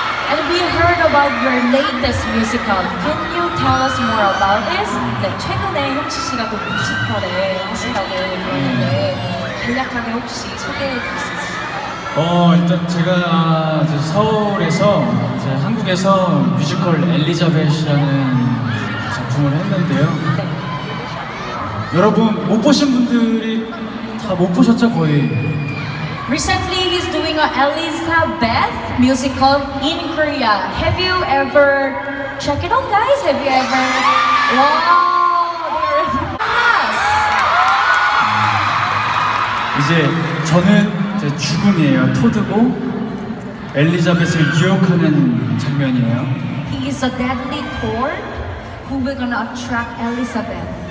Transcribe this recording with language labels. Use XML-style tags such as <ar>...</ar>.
<en>And we heard about your latest musical. Can you tell us more about this?</en> <ko>네, 최근에 형치 씨가 또 뮤지컬에 하신다고 했는데 간략하게 혹시 소개해 주실 수 있을까요? 일단 제가 이제 서울에서 이제 한국에서 뮤지컬 엘리자벳이라는 작품을 했는데요. 여러분, 못 보신 분들이 다 못 보셨죠, 거의?</ko> <en>Recently, he's doing an Elizabeth musical in Korea. Have you ever check it out, guys? Have you ever... Wow! Yes!</en> <ko>이제 저는 이제 죽음이에요, 토드고 엘리자벳을 유혹하는 장면이에요.</ko> <en>He is a deadly toad who will gonna attract Elizabeth.</en>